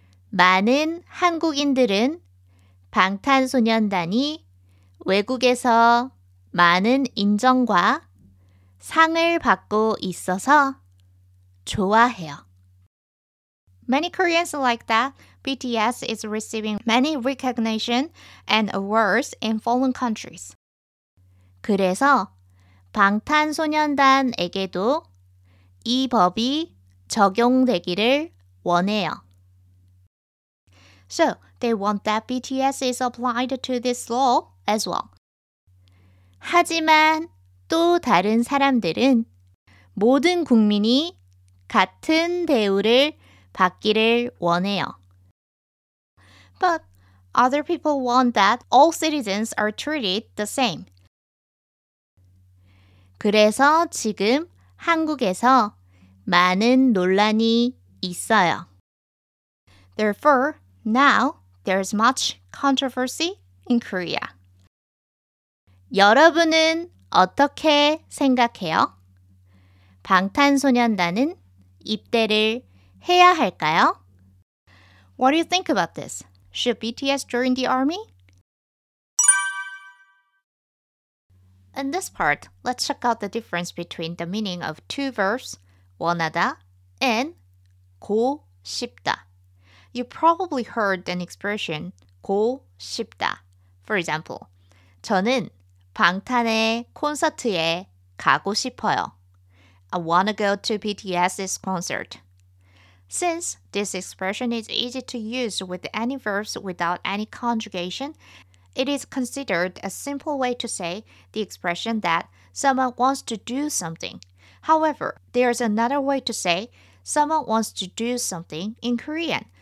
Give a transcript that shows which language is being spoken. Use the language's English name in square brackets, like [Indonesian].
[Korean] 많은 한국인들은 방탄소년단이 외국에서 많은 인정과 상을 받고 있어서 좋아해요. [English] Many Koreans like that BTS is receiving many recognition and awards in foreign countries. [Korean] 그래서 방탄소년단에게도 이 법이 적용되기를 원해요. [English] So, they want that BTS is applied to this law as well. [Korean] 하지만 또 다른 사람들은 모든 국민이 같은 대우를 받기를 원해요. [English] But other people want that all citizens are treated the same. [Korean] 그래서 지금 한국에서 많은 논란이 있어요. [English] Therefore, now there's much controversy in Korea. [Korean] 여러분은 어떻게 생각해요? 방탄소년단은 입대를 해야 할까요? [English] What do you think about this? Should BTS join the army? In this part, let's check out the difference between the meaning of two verbs, 원하다 and 고 싶다. You probably heard an expression 고 싶다. For example, [Korean] 저는 방탄의 콘서트에 가고 싶어요. [English] I wanna go to BTS's concert. Since this expression is easy to use with any verbs without any conjugation, it is considered a simple way to say the expression that someone wants to do something. However, there is another way to say someone wants to do something in Korean.